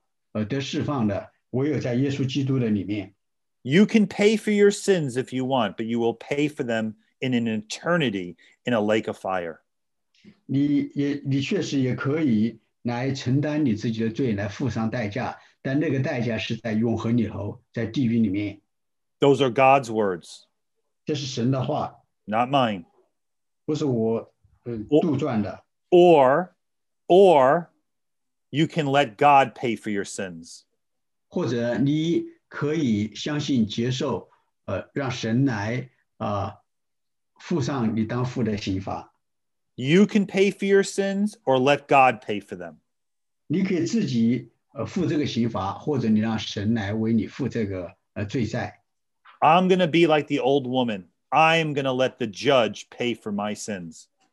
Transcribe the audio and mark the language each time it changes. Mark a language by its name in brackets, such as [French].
[Chinese] 可以使你从自己的罪和罪的刑罚里头所得释放的,唯有在耶稣基督的里面。 [English] You can pay for your sins if you want, but you will pay for them in an eternity in a lake of fire. [Chinese] 你确实也可以来承担你自己的罪，来付上代价，但那个代价是在永恒里头，在地狱里面。 [English] Those are God's words. [Chinese] 这是神的话, [English] not mine. [Chinese] 不是我杜撰的。 [English] Or you can let God pay for your sins. [Chinese] 或者你可以相信接受，让神来付上你当付的刑罚。 [English] You can pay for your sins or let God pay for them. [Chinese] 你可以自己付这个刑罚,或者你让神来为你付这个罪债。 [English] I'm going to be like the old woman. I'm going to let the judge pay for my sins.